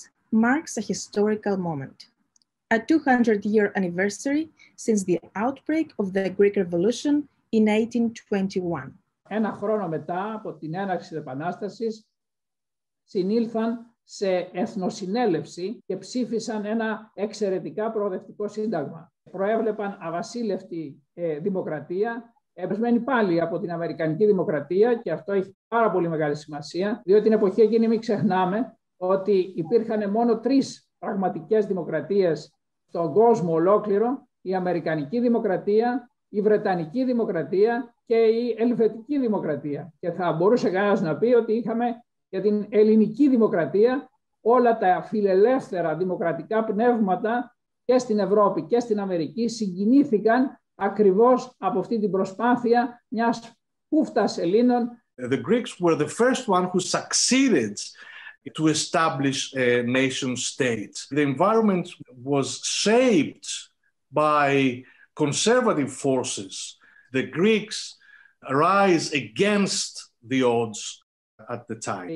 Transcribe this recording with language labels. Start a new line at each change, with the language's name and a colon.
English: marks a historical moment, a 200-year anniversary since the outbreak of the Greek Revolution in 1821.
Greek: Ένα χρόνο μετά από την έναρξη της Επανάστασης, συνήλθαν σε εθνοσυνέλευση και ψήφισαν ένα εξαιρετικά προοδευτικό σύνταγμα. Προέβλεπαν αβασίλευτη δημοκρατία, εμπνευσμένη πάλι από την Αμερικανική Δημοκρατία, και αυτό έχει πάρα πολύ μεγάλη σημασία, διότι την εποχή εκείνη μην ξεχνάμε ότι υπήρχαν μόνο τρεις πραγματικές δημοκρατίες στον κόσμο ολόκληρο, η Αμερικανική Δημοκρατία, η Βρετανική Δημοκρατία και η Ελβετική Δημοκρατία. Και θα μπορούσε κανένας να πει ότι είχαμε για την Ελληνική Δημοκρατία όλα τα φιλελεύθερα δημοκρατικά πνεύματα και στην Ευρώπη και στην Αμερική συγκινήθηκαν ακριβώς από αυτή την προσπάθεια μιας κούφτας Ελλήνων.
English: The Greeks were the first one who succeeded to establish a nation state. The environment was shaped by conservative forces. The Greeks rise against the odds at the time.